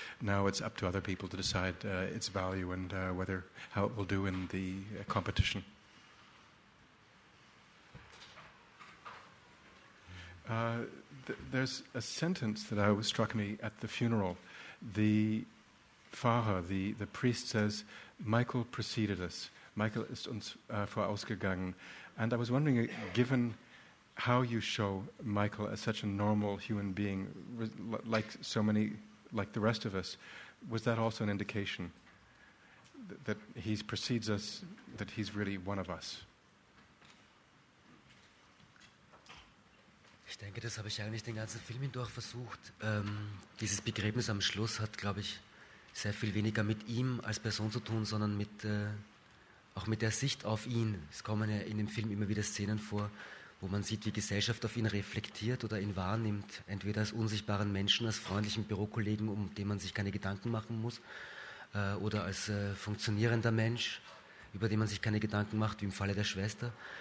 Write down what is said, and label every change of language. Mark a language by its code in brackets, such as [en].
[en] Now it's up to other people to decide its value and whether how it will do in the competition. There's a sentence that struck me at the funeral. The Pfarrer, the priest, says, "Michael preceded us. [de] Michael ist uns vorausgegangen." [en] And I was wondering, given how you show Michael as such a normal human being, like so many, like the rest of us, was that also an indication that he precedes us, that he's really one of us? [de] Ich denke, das habe ich eigentlich den ganzen Film hindurch versucht. Dieses Begräbnis am Schluss hat, glaube ich, sehr viel weniger mit ihm als Person zu tun, sondern mit auch mit der Sicht auf ihn. Es kommen ja in dem Film immer wieder Szenen vor, wo man sieht, wie Gesellschaft auf ihn reflektiert oder ihn wahrnimmt, entweder als unsichtbaren Menschen, als freundlichen Bürokollegen, um den man sich keine Gedanken machen muss, oder als funktionierender Mensch, über den man sich keine Gedanken macht, wie im Falle der Schwester.